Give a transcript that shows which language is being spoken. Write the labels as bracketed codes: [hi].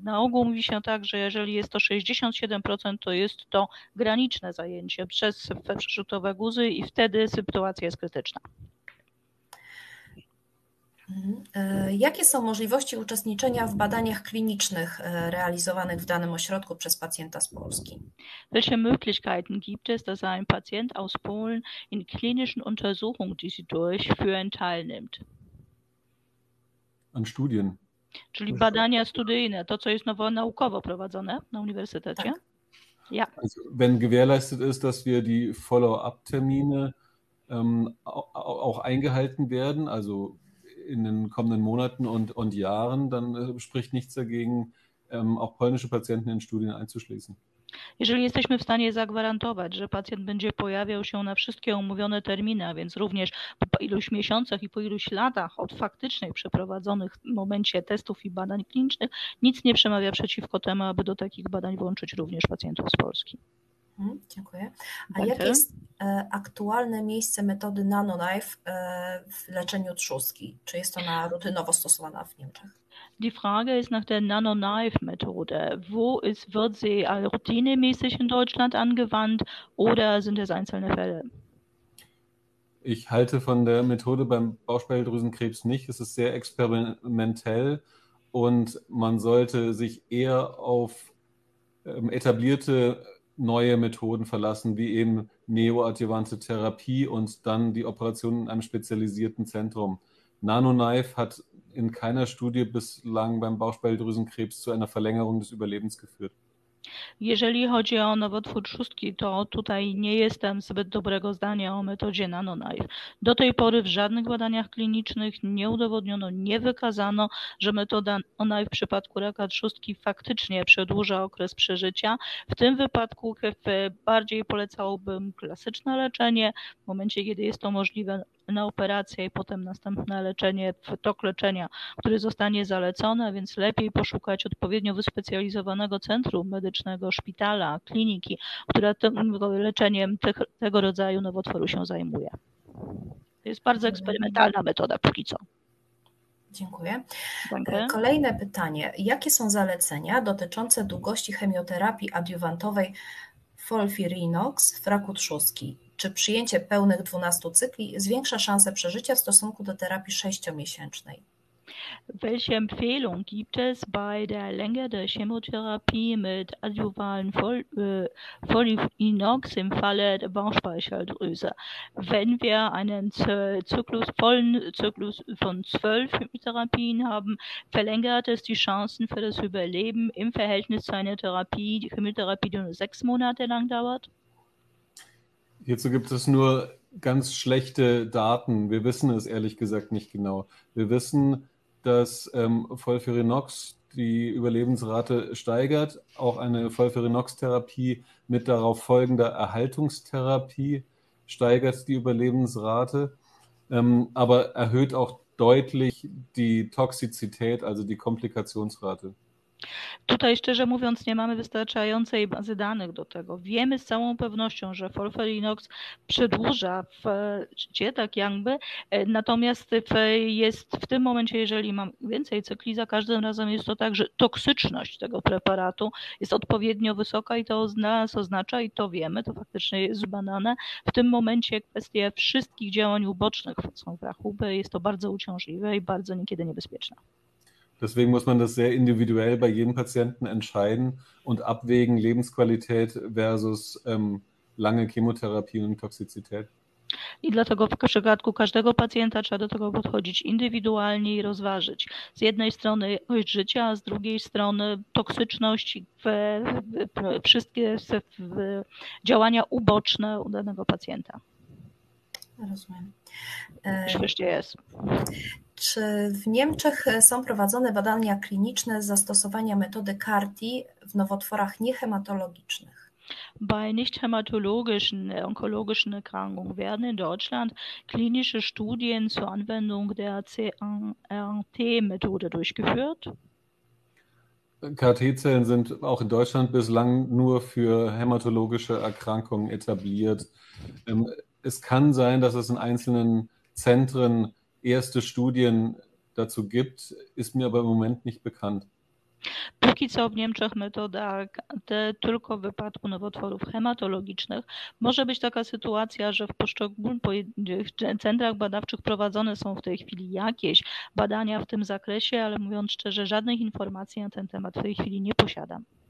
[pl] Na ogół mówi się tak, że jeżeli jest to 67%, to jest to graniczne zajęcie przez przeszutowe guzy i wtedy sytuacja jest krytyczna. Jakie są możliwości uczestniczenia w badaniach klinicznych realizowanych w danym ośrodku przez pacjenta z Polski? [de] Welche Möglichkeiten gibt es, dass ein Patient aus Polen in klinischen Untersuchungen, die sie durchführen, teilnimmt? An Studien. [pl] Czyli badania studyjne, to co jest nowo naukowo prowadzone na uniwersytecie? Tak. [de] Ja. Also, wenn gewährleistet ist, dass wir die Follow-up-Termine auch eingehalten werden, also in den kommenden Monaten und Jahren, dann spricht nichts dagegen, auch polnische Patienten in Studien einzuschließen. [pl] Jeżeli jesteśmy w stanie zagwarantować, że pacjent będzie pojawiał się na wszystkie umówione terminy, a więc również po iluś miesiącach i po iluś latach od faktycznej przeprowadzonych w momencie testów i badań klinicznych, nic nie przemawia przeciwko temu, aby do takich badań włączyć również pacjentów z Polski. Dziękuję. A jakie jest aktualne miejsce metody NanoKnife w leczeniu trzustki? Czy jest ona rutynowo stosowana w Niemczech? [de] Die Frage ist nach der NanoKnife-Methode. Wird sie routinemäßig in Deutschland angewandt oder sind es einzelne Fälle? Ich halte von der Methode beim Bauchspeicheldrüsenkrebs nicht. Es ist sehr experimentell und man sollte sich eher auf etablierte neue Methoden verlassen, wie eben neoadjuvante Therapie und dann die Operation in einem spezialisierten Zentrum. NanoKnife hat in keiner Studie bislang beim Bauchspeicheldrüsenkrebs zu einer Verlängerung des Überlebens geführt. [pl] Jeżeli chodzi o nowotwór trzustki, to tutaj nie jestem zbyt dobrego zdania o metodzie NanoKnife. Do tej pory w żadnych badaniach klinicznych nie udowodniono, nie wykazano, że metoda NanoKnife w przypadku raka trzustki faktycznie przedłuża okres przeżycia. W tym wypadku bardziej polecałbym klasyczne leczenie w momencie, kiedy jest to możliwe, na operację i potem następne leczenie, tok leczenia, który zostanie zalecony, więc lepiej poszukać odpowiednio wyspecjalizowanego centrum medycznego, szpitala, kliniki, która leczeniem tego rodzaju nowotworu się zajmuje. To jest bardzo eksperymentalna metoda póki co. Dziękuję. Kolejne pytanie. Jakie są zalecenia dotyczące długości chemioterapii adiuwantowej FOLFIRINOX w raku trzustki? Czy przyjęcie pełnych 12 cykli zwiększa szansę przeżycia w stosunku do terapii 6-miesięcznej? [de] Welche Empfehlung gibt es bei der Länge der Chemotherapie mit adjuvalen Folinox im Falle der Bauchspeicheldrüse? Wenn wir einen vollen Zyklus von 12 Therapien haben, verlängert es die Chancen für das Überleben im Verhältnis zu einer Therapie, die Chemotherapie, die nur 6 Monate lang dauert? Hierzu gibt es nur ganz schlechte Daten. Wir wissen es ehrlich gesagt nicht genau. Wir wissen, dass Folfirinox die Überlebensrate steigert. Auch eine Folfirinox-Therapie mit darauf folgender Erhaltungstherapie steigert die Überlebensrate, aber erhöht auch deutlich die Toxizität, also die Komplikationsrate. [pl] Tutaj szczerze mówiąc nie mamy wystarczającej bazy danych do tego. Wiemy z całą pewnością, że FOLFIRINOX przedłuża w życie, tak jakby, natomiast jest w tym momencie, jeżeli mam więcej cykli, za każdym razem jest to tak, że toksyczność tego preparatu jest odpowiednio wysoka i to nas oznacza i to wiemy, to faktycznie jest zbadane. W tym momencie kwestie wszystkich działań ubocznych są w rachubę, jest to bardzo uciążliwe i bardzo niekiedy niebezpieczne. [de] Deswegen muss man das sehr individuell bei jedem Patienten entscheiden und abwägen Lebensqualität versus lange Chemotherapie und Toxizität. [pl] I dlatego w przypadku każdego pacjenta trzeba do tego podchodzić indywidualnie i rozważyć. Z jednej strony jakość życia, a z drugiej strony toksyczność i wszystkie działania uboczne u danego pacjenta. Rozumiem. Jeszcze jest. Czy w Niemczech są prowadzone badania kliniczne zastosowania metody CAR-T w nowotworach niehematologicznych. [de] Bei nicht-hämatologischen onkologischen Erkrankungen werden in Deutschland klinische Studien zur Anwendung der CAR-T-Methode durchgeführt. CAR-T-Zellen sind auch in Deutschland bislang nur für hämatologische Erkrankungen etabliert. Es kann sein, dass es in einzelnen Zentren erste Studien dazu gibt, ist mir aber im Moment nicht bekannt. [pl] Póki co w Niemczech metoda CAR-T tylko w wypadku nowotworów hematologicznych. Może być taka sytuacja, że w poszczególnych centrach badawczych prowadzone są w tej chwili jakieś badania w tym zakresie, ale mówiąc szczerze, żadnych informacji na ten temat w tej chwili nie posiadam.